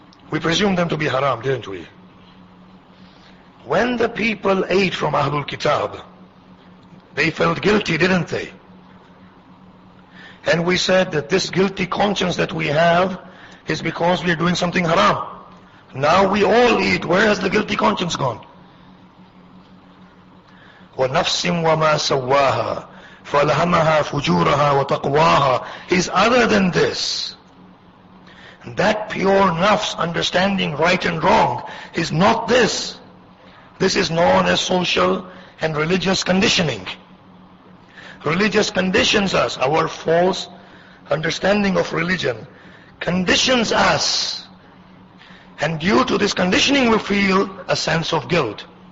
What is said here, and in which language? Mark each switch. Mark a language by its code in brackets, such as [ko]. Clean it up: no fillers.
[en] We presume them to be haram, didn't we? When the people ate from Ahlul Kitab, they felt guilty, didn't they? And we said that this guilty conscience that we have is because we are doing something haram. Now we all eat. Where has the guilty conscience gone? [ar] وَنَفْسٍ وَمَا سَوَّاهَا فَأَلْهَمَهَا فُجُورَهَا وَتَقْوَاهَا [en] is other than this. That pure nafs, understanding right and wrong, is not this. This is known as social and religious conditioning. Religious conditions us, our false understanding of religion, conditions us, and due to this conditioning we feel a sense of guilt.